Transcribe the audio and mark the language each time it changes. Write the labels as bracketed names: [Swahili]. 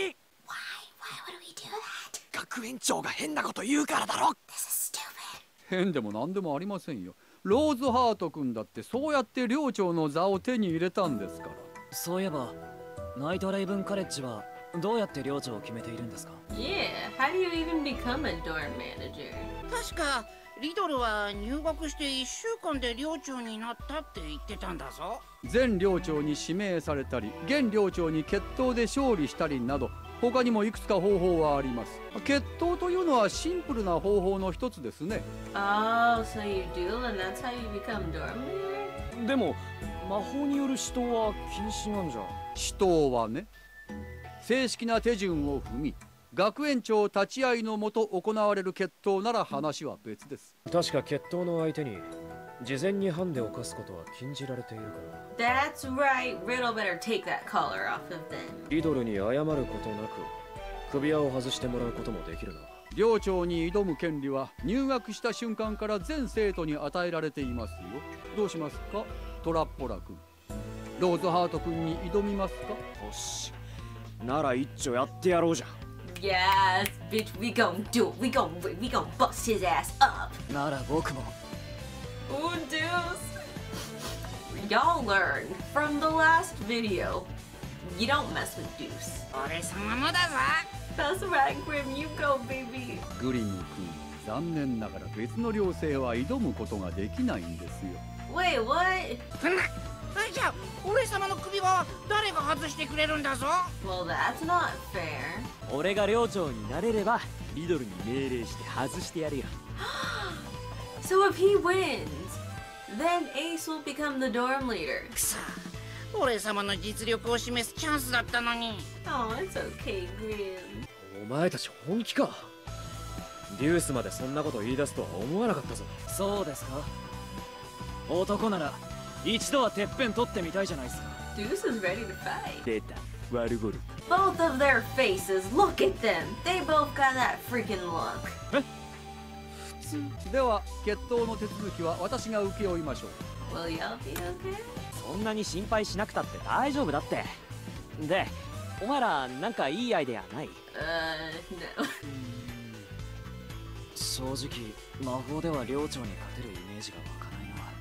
[English] Why would we do that? [Japanese] 学園長が変なこと言うからだろ [English] This is stupid [Japanese] 変でもなんでもありませんよローズハート君だってそうやって寮長の座を手に入れたんですからそういえばナイトレイブンカレッジはどうやって寮長を決めているんですか [English] Yeah, how do you even become a dorm manager? [Japanese] 確か、リドルは入学して1週間で寮長になったって言ってたんだぞ。前寮長に指名されたり、現寮長に決闘で勝利したりなど、他にもいくつか方法はあります。決闘というのはシンプルな方法の一つですね。 [English] Oh, so you duel and that's how you become dorm manager? [Japanese] でも、魔法による死闘は禁止なんじゃ。死闘はね。正式な手順を踏み、学園長立ち会いのもと行われる決闘なら話は別です。確か決闘の相手に事前にハンデを犯すことは禁じられているから。 [English] That's right. Riddle better take that collar off of them. [Japanese] リドルに謝ることなく、首輪を外してもらうこともできるな。寮長に挑む権利は入学した瞬間から全生徒に与えられていますよ。どうしますか、トラッポラ君。ローズハート君に挑みますか。よし。なら一丁やってやろうじゃん。 [English] Yes, bitch, we gon' do it. We gon' bust his ass up. [Japanese] なら僕も。 [English] Oh, deuce. Y'all learn from the last video. You don't mess with deuce. [Japanese] 俺様もだぞ。 [English] That's right, Grim. You go, baby. [Japanese] グリム君、残念ながら別の寮生は挑むことができないんですよ。 [English] Wait, what? [Japanese] じゃあ、俺様の首輪は誰が外してくれるんだぞ [English] Well, that's not fair. [Japanese] 俺が寮長になれれば、リドルに命令して外してやるよ。 [English] So if he wins, then Ace will become the dorm leader. [Japanese] くさ、俺様の実力を示すチャンスだったのに。 [English] Oh, it's okay, Grim. [Japanese] お前たち本気か。デュースまでそんなこと言い出すとは思わなかったぞ。そうですか。男なら、一度はてっぺん取ってみたいじゃないですか。 [English] Deuce is ready to fight. [Japanese] 出た、ワルゴル。 [English] Both of their faces, look at them! They both got that freaking look. え、 [Japanese] です。では、決闘の手続きは私が請け負いましょう。 [English] Will y'all be okay? [Japanese] そんなに心配しなくたって大丈夫だって。で、お前らなんかいいアイデアない？ [English] No. [Japanese] 正直、魔法では領長に勝てるイメージが湧かないな。